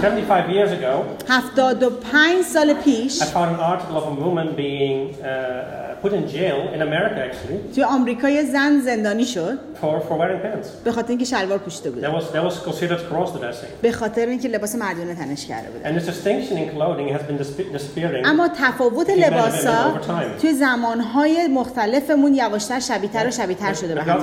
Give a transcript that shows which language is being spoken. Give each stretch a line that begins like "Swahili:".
English: 75 years ago.
Persian: 75 سال پیش.
English: I found an article of a woman being put in jail in America actually.
Persian: توی آمریکا یه زن زندانی شد.
English: For wearing pants.
Persian: به خاطر اینکه شلوار پوشیده بود.
English: That was considered cross-dressing.
Persian: به خاطر اینکه لباس مردونه تنش کرده بود.
English: And the distinction in clothing has been disappearing.
Persian: اما تفاوت لباسا توی زمان‌های مختلفمون یواشتر شبیه‌تر و شبیه‌تر شده به هم